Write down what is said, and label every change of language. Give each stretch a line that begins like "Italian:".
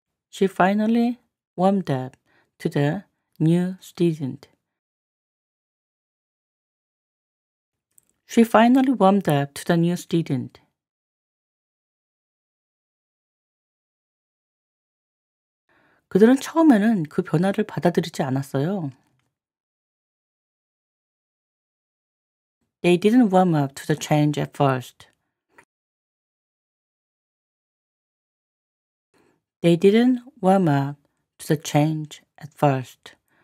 English: She finally warmed up to the new student. She finally warmed up to the new student.
Korean: 그들은 처음에는 그 변화를 받아들이지 않았어요.
English: They didn't warm up to the change at first. They didn't warm up to the change at first.